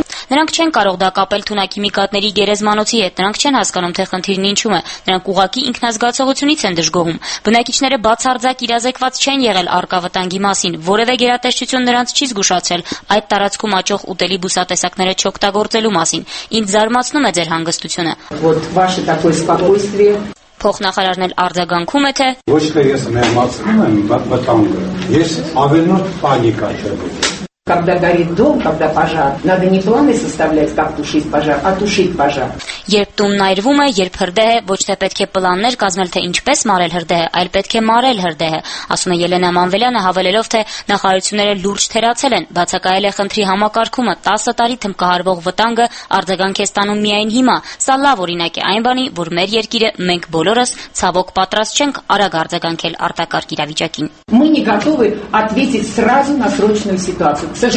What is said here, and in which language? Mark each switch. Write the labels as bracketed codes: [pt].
[hy] Նրանք չեն կարող դա կապել թունաքիմիկատների գերեզմանոցի հետ, նրանք չեն հասկանում, թե խնդիրն ինչու է, նրանք ուղղակի ինքնազգացողությունից են դժգոհում։ Բնակիչները բացարձակ իրազեկված չեն եղել առկա վտանգի մասին, որևէ գերատեսչություն նրանց չի զգուշացել այդ տարածքում աճող ուտելի բուսատեսակները չօգտագործելու մասին։ Ինձ զարմացնում է ձեր հանգստությունը։ Փոխնախարարն էլ արձագանքում է, թե ոչ թե ես մեղմացնում եմ վտանգը, ես ավելնոտ պանիկա չեմ։ [ru] Когда горит дом, когда пожар, надо не планы составлять, как тушить пожар, а тушить пожар. [hy] Երբ տունն այրվում է, երբ հրդեհ է, ոչ թե պետք է պլաններ կազմել, թե ինչպես մարել հրդեհը, այլ պետք է մարել հրդեհը, ասում է Ելենա Մանվելյանը, հավելելով, թե նախարարությունները լուրջ թերացել են, բացակայել է խնդրի համակարգումը, 10 տարի թմբկահարվող վտանգը արձագանք է ստանում միայն հիմա, սա լավ օրինակ է այն բանի, որ մեր երկիրը, մենք բոլորս ցավոք պատրաստ չենք արագ արձագանքել արտակարգ իրավիճակին։